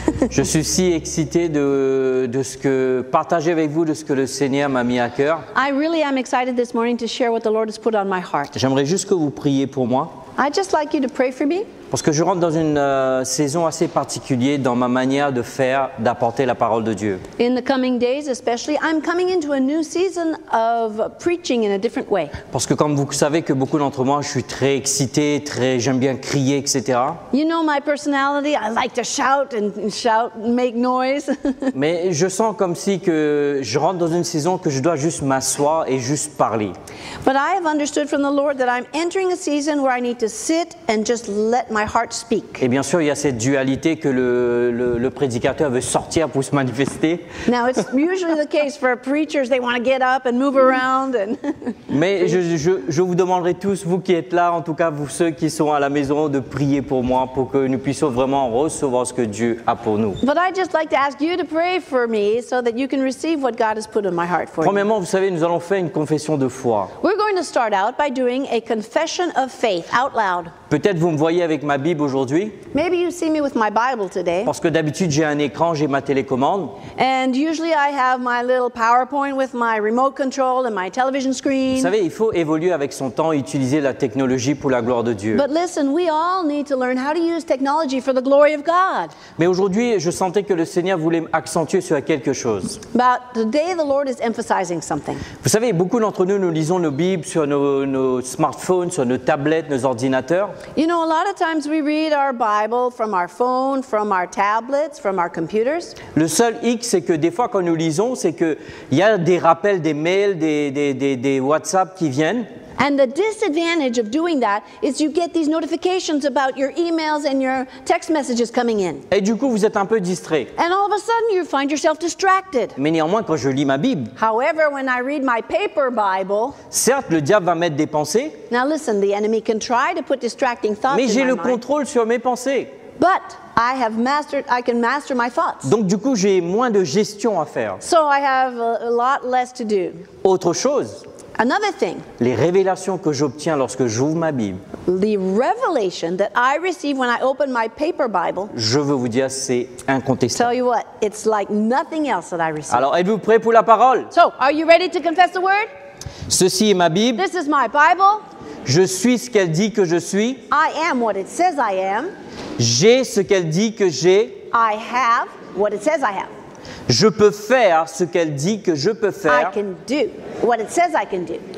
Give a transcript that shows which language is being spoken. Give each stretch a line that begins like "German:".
French: Je suis si excité de ce que partager avec vous de ce que le Seigneur m'a mis à cœur.
English: I really am excited this morning to share what the Lord has put on my heart.
French: J'aimerais juste que vous priez pour moi.
English: I'd just like you to pray for me.
French: Parce que je rentre dans une saison assez particulière dans ma manière de faire, d'apporter la parole de Dieu.
English: In the coming days especially, I'm coming into a new season of preaching in a different way.
French: Parce que comme vous savez que beaucoup d'entre moi, je suis très excité, très, j'aime bien crier, etc.
English: You know my personality, I like to shout and shout and make noise.
French: Mais je sens comme si que je rentre dans une saison que je dois juste m'asseoir et juste parler.
English: But I have understood from the Lord that I'm entering a season where I need to sit and just let my heart speak.
French: Et bien sûr, il y a cette dualité que le prédicateur veut sortir pour se manifester.
English: Now, it's usually the case for preachers, they want to get up and move around. And
French: mais je vous demanderai tous, vous qui êtes là, en tout cas vous ceux qui sont à la maison, de prier pour moi pour que nous puissions vraiment recevoir ce que Dieu a pour nous.
English: But I'd just like to ask you to pray for me so that you can receive what God has put in my heart for
French: Premièrement,
English: you.
French: Premièrement, vous savez, nous allons faire une confession de foi.
English: We're going to start out by doing a confession of faith out loud.
French: Peut-être vous me voyez avec ma Bible aujourd'hui.
English: Maybe you see me with my Bible today.
French: Parce que d'habitude j'ai un écran, j'ai ma télécommande.
English: And usually I have my little PowerPoint with my remote control and my television screen.
French: Vous savez, il faut évoluer avec son temps, utiliser la technologie pour la gloire de Dieu.
English: But listen, we all need to learn how to use technology for the glory of God.
French: Mais aujourd'hui, je sentais que le Seigneur voulait accentuer sur quelque chose.
English: But today the Lord is emphasizing something.
French: Vous savez, beaucoup d'entre nous lisons nos Bibles sur nos smartphones, sur nos tablettes, nos ordinateurs.
English: You know, a lot of times we read our Bible from our phone, from our tablets, from our computers.
French: Le seul hic, c'est que des fois quand nous lisons, c'est qu'il y a des rappels, des mails, des WhatsApp qui viennent.
English: And the disadvantage of doing that is you get these notifications about your emails and your text messages coming in.
French: Et du coup, vous êtes un peu distrait.
English: And all of a sudden, you find yourself distracted.
French: Mais néanmoins, quand je lis ma Bible.
English: However, when I read my paper Bible.
French: Certes, le diable va mettre des pensées.
English: Now listen, the enemy can try to put distracting thoughts my mind.
French: Mais j'ai le contrôle sur mes pensées.
English: But I have mastered, I can master my thoughts.
French: Donc du coup, j'ai moins de gestion à faire.
English: So I have a lot less to do.
French: Autre chose.
English: Another thing.
French: Les révélations que j'obtiens lorsque j'ouvre ma Bible.
English: The revelation that I receive when I open my paper Bible.
French: Je veux vous dire, c'est incontestable.
English: Tell you what, it's like nothing else that I receive.
French: Alors, êtes-vous prêt pour la parole?
English: So, are you ready to confess the word?
French: Ceci est ma Bible.
English: This is my Bible.
French: Je suis ce qu'elle dit que je suis.
English: I am what it says I am.
French: J'ai ce qu'elle dit que j'ai.
English: I have what it says I have.
French: Je peux faire ce qu'elle dit que je peux faire.
English: I can do what it says I can do.